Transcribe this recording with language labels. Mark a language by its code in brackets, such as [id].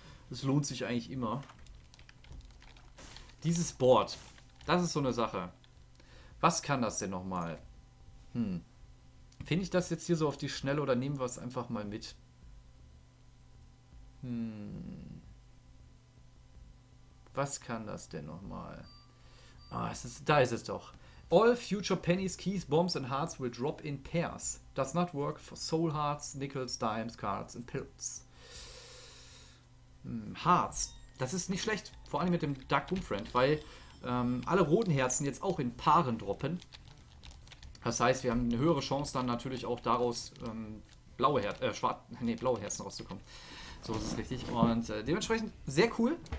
[de] Das lohnt sich eigentlich immer. Dieses Board, das ist so eine Sache. Was kann das denn nochmal? Finde ich das jetzt hier so auf die Schnelle oder nehmen wir es einfach mal mit? Was kann das denn nochmal? Ah, es ist, da ist es doch. [en] All future pennies, keys, bombs and hearts will drop in pairs. Does not work for soul hearts, nickels, dimes, cards and pills. [de] Hearts. Das ist nicht schlecht. Vor allem mit dem Dark Boom Friend, weil alle roten Herzen jetzt auch in Paaren droppen. Das heißt, wir haben eine höhere Chance dann natürlich auch daraus blaue Her schwarz nee, blaue Herzen rauszukommen. So ist es richtig. Und dementsprechend sehr cool.